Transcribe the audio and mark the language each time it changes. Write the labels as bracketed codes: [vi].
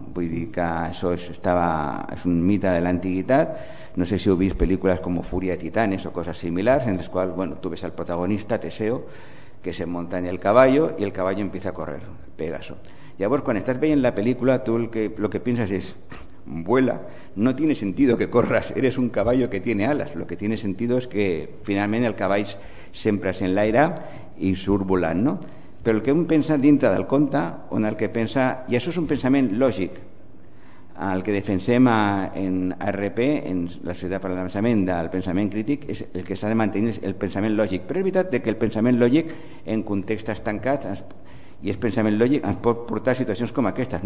[ca] Vull dir que això és un mite de l'antiguitat. No sé si heu vist pel·lícules com Fúria de Titanes o coses similars, en les quals bueno, tu ves el protagonista, Teseo, [es] que se monta en el caballo i el caballo empieza a correr, [ca] Pegaso. Llavors, quan estàs veient la pel·lícula, tu lo que penses és... [es] vuela, no tiene sentido que corras, eres un caballo que tiene alas, lo que tiene sentido es que finalmente el caballo siempre es [ca] en l'aire y surt volant, [es] ¿no? [ca] Pero el que un pensa dintre del conte, on el que pensa, y eso es un pensament lògic, el que defensem en ARP, en la Societat per l'Avançament del Pensament Crític, és el que s'ha de mantenir, el pensament lògic. Però és veritat que el pensament lògic en contextos tancats i és pensament lògic, ens pot portar a situacions com aquestes.